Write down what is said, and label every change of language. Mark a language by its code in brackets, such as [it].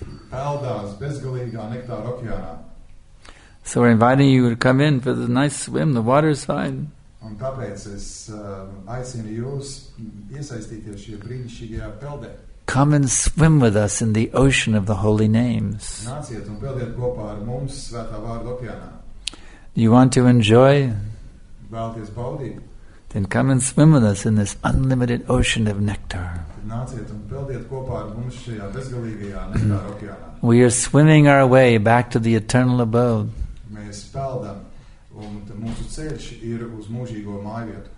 [en] So we're inviting you to come in for the nice swim. The water is fine. [lv] Un tāpēc es aicinu jūs iesaistīties šajā brīnišķīgajā peldē. [en] Come and swim with us in the ocean of the holy names. [lv] Nāciet un peldiet kopā ar mums svētā vārda okeānā. [en] You want to enjoy [lv] vēlaties baudīt, [en] then come and swim with us in this unlimited ocean of nectar. [lv] Nāciet un peldiet kopā ar mums šajā bezgalīgajā okeānā. [en] We are swimming our way back to the eternal abode. [lv] Mēs peldam, un mūsu ceļš ir uz mūžīgo mājvietu.